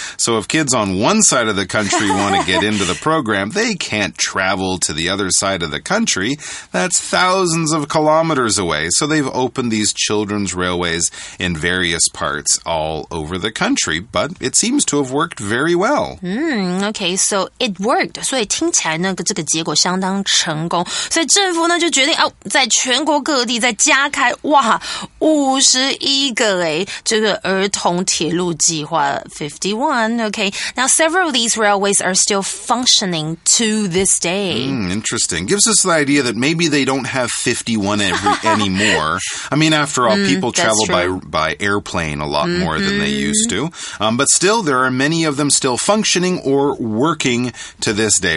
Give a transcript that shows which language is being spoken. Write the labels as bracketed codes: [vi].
[en] So if kids on one side of the country want to get into the program, they can't travel to the other side of the country. That's thousands of kilometers away. So they've opened these children's railways in various parts all over the country. But it seems to have worked very well. Okay, so it worked. [zh] 所以听起来呢，这个结果相当成功。所以政府呢，就决定哦，在全国各地再加开哇51个哎，这个儿童铁路计划 51. [en] Okay, now several of these railways are still functioning to this day. Interesting. Gives us the idea that maybe they don't have 51 anymore. I mean, after all, people travel by airplane a lot more than they used to. But still, there are many of them still functioning or working to this day.